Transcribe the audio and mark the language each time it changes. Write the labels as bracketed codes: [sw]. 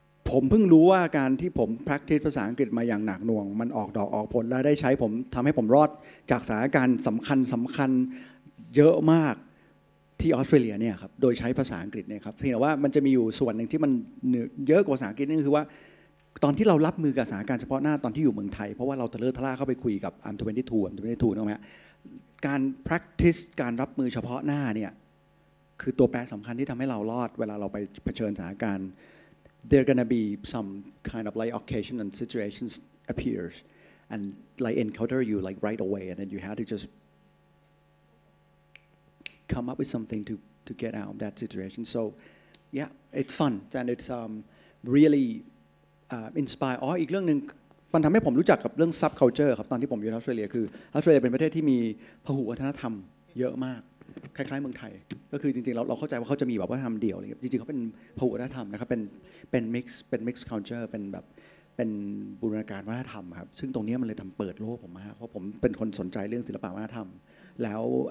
[th] ผมเพิ่งรู้ว่าการที่ผม practice ภาษาอังกฤษมาอย่างหนักหน่วงมันออกดอกออกผลและได้ใช้ผมทำให้ผมรอดจากสถานการณ์สำคัญเยอะมากที่ออสเตรเลียเนี่ยครับโดยใช้ภาษาอังกฤษเนี่ยครับเพียงแต่ว่ามันจะมีอยู่ส่วนหนึ่งที่มันเยอะกว่าภาษาอังกฤษนั่นคือว่าตอนที่เรารับมือกับสถานการณ์เฉพาะหน้าตอนที่อยู่เมืองไทยเพราะว่าเราทะเลทะล่าเข้าไปคุยกับ [en] I'm 22 [th] นะครับการ practice การรับมือเฉพาะหน้าเนี่ยคือตัวแปรสำคัญที่ทำให้เรารอดเวลาเราไปเผชิญสถานการณ์ [en] there are going to be some kind of like occasion and situations appears and like encounter you like right away, and then you have to just come up with something to get out of that situation. So yeah, it's fun, and it's really inspire. [th] Oh, อีกเรื่องนึงมันทำให้ผมรู้จักกับเรื่อง subculture ครับตอนที่ผมอยู่ออสเตรเลียคือออสเตรเลียเป็นประเทศที่มีพหุวัฒนธรรมเยอะมากคล้ายๆเมืองไทยก็คือจริงๆเราเข้าใจว่าเขาจะมีแบบวัฒนธรรมเดี่ยวอะไรเงี้ยจริงๆเขาเป็นพหุวัฒนธรรมนะครับเป็น mix เป็น mix culture เป็นแบบเป็นบูรณาการวัฒนธรรมครับซึ่งตรงนี้มันเลยทำเปิดโลกผมมากเพราะผมเป็นคนสนใจเรื่องศิลปวัฒนธรรมแล้ว